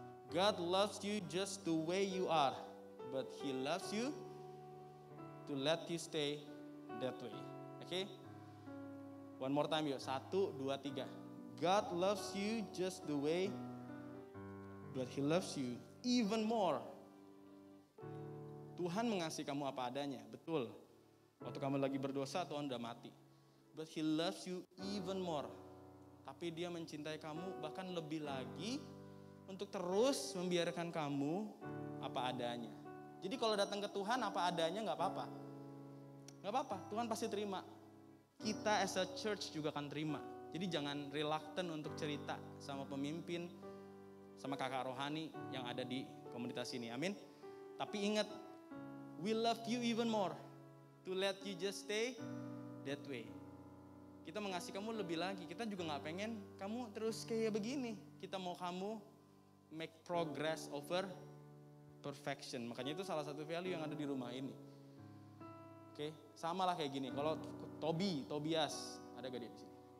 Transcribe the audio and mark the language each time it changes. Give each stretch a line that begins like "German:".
English: God loves you just the way you are, but He loves you to let you stay that way. Oke, one more time yuk, 1, 2, 3. God loves you just the way, but He loves you even more.
Indonesian: Tuhan mengasihi kamu apa adanya, betul. Waktu kamu lagi berdosa, Tuhan udah mati.
English: But He loves you even more.
Indonesian: Tapi Dia mencintai kamu bahkan lebih lagi untuk terus membiarkan kamu apa adanya. Jadi kalau datang ke Tuhan apa adanya gak apa-apa. Gak apa-apa, Tuhan pasti terima. Kita
English: as a church
Indonesian: juga akan terima. Jadi jangan reluctant untuk cerita sama pemimpin, sama kakak rohani yang ada di komunitas ini, amin. Tapi ingat,
English: we love you even more to let you just stay that way.
Indonesian: kita mengasihi kamu lebih lagi. Kita juga gak pengen kamu terus kayak begini. Kita mau kamu
English: make progress over perfection.
Indonesian: Makanya itu salah satu value yang ada di rumah ini. Oke, sama lah kayak gini. Kalau Tobias, ada gak dia di sini?